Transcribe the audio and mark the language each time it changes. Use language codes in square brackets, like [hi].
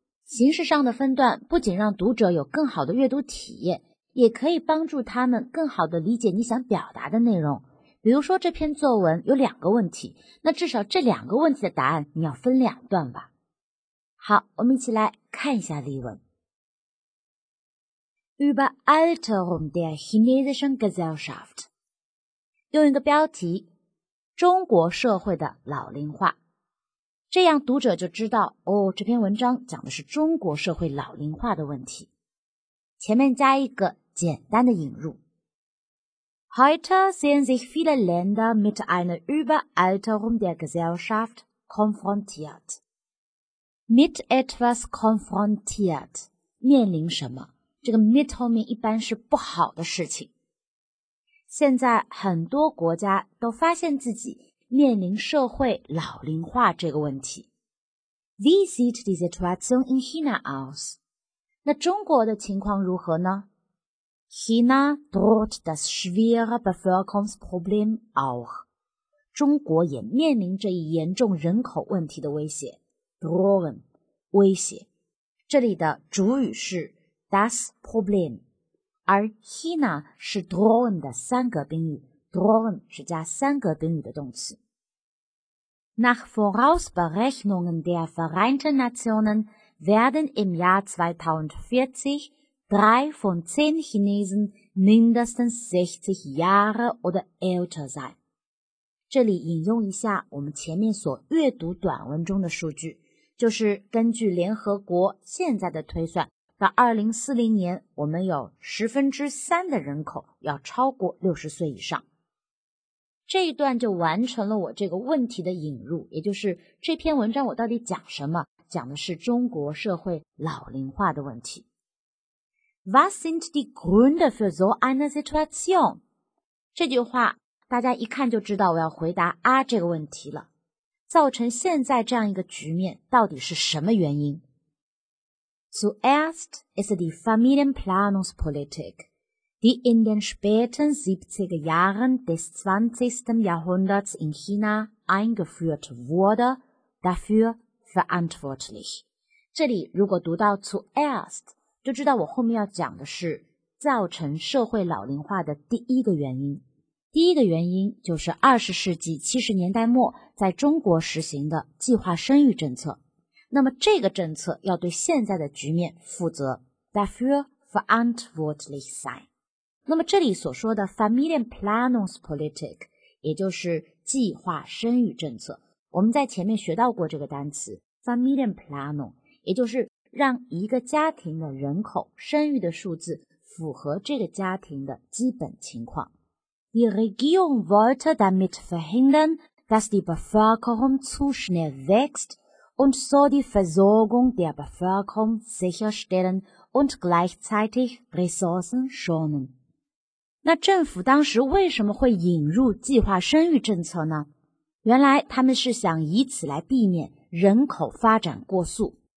[zh] 形式上的分段不仅让读者有更好的阅读体验，也可以帮助他们更好的理解你想表达的内容。比如说这篇作文有两个问题，那至少这两个问题的答案你要分两段吧。好，我们一起来看一下例文。 [de] Überalterung der chinesischen Gesellschaft [zh] 用一个标题，中国社会的老龄化。这样读者就知道，哦，这篇文章讲的是中国社会老龄化的问题。前面加一个简单的引入。 [de] Heute sehen sich viele Länder mit einer Überalterung der Gesellschaft konfrontiert. Mit etwas konfrontiert. [zh] 面临什么？这个 mit 后面一般是不好的事情。现在很多国家都发现自己面临社会老龄化这个问题。 [de] Wie sieht die Situation in China aus? [zh] 那中国的情况如何呢？ [de] China droht das schwere Bevölkerungsproblem auch. [zh] 中国也面临这一严重人口问题的威胁。 [de] Drohen, [zh] 威胁。这里的主语是 das Problem, 而 China 是 drohen 的三格宾语， drohen 是加三格宾语的动词。 [de] Nach Vorausberechnungen der Vereinten Nationen werden im Jahr 2040Drei von zehn Chinesen mindestens 60 Jahre oder älter sein. [zh] 这里引用一下我们前面所阅读短文中的数据，就是根据联合国现在的推算，到2040年，我们有十分之三的人口要超过60岁以上。这一段就完成了我这个问题的引入，也就是这篇文章我到底讲什么？讲的是中国社会老龄化的问题。 [de] Was sind die Gründe für so eine Situation? [zh] 这句话大家一看就知道我要回答啊这个问题了。造成现在这样一个局面到底是什么原因？ [de] Zuerst ist die Familienplanungspolitik, die in den späten 70er Jahren des 20. Jahrhunderts in China eingeführt wurde, dafür verantwortlich. [zh] 这里如果读到 zuerst,就知道我后面要讲的是造成社会老龄化的第一个原因。第一个原因就是20世纪70年代末在中国实行的计划生育政策。那么这个政策要对现在的局面负责。 [de] Dafür verantwortlich sein。 [zh] 那么这里所说的 Familienplanungspolitik, 也就是计划生育政策。我们在前面学到过这个单词 ,Familienplanung, 也就是让一个家庭的人口生育的数字符合这个家庭的基本情况。 [de] Die Regierung wollte damit verhindern, dass die Bevölkerung zu schnell wächst und so die Versorgung der Bevölkerung sicherstellen und gleichzeitig Ressourcen schonen. [zh] 那政府当时为什么会引入计划生育政策呢？原来他们是想以此来避免人口发展过速。